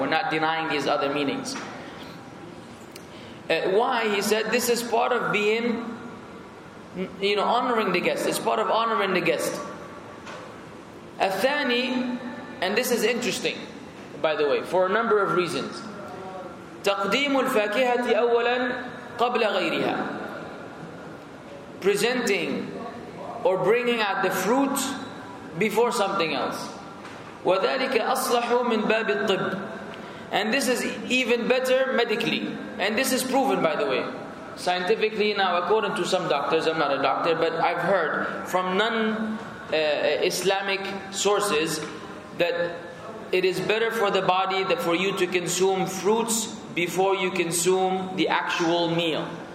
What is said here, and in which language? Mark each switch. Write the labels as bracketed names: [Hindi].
[English] We're not denying these other meanings. Why? He said this is part of being, you know, honoring the guest. It's part of honoring the guest. [Arabic] الثاني, [English] and this is interesting, by the way, for a number of reasons. [Arabic] تقديم الفاكهة أولا قبل غيرها. [English] Presenting or bringing out the fruit before something else. [Arabic] وذلك أصلح من باب الطب. [English] And this is even better medically. And this is proven, by the way. Scientifically, now according to some doctors, I'm not a doctor, but I've heard from non-Islamic sources that it is better for the body that for you to consume fruits before you consume the actual meal.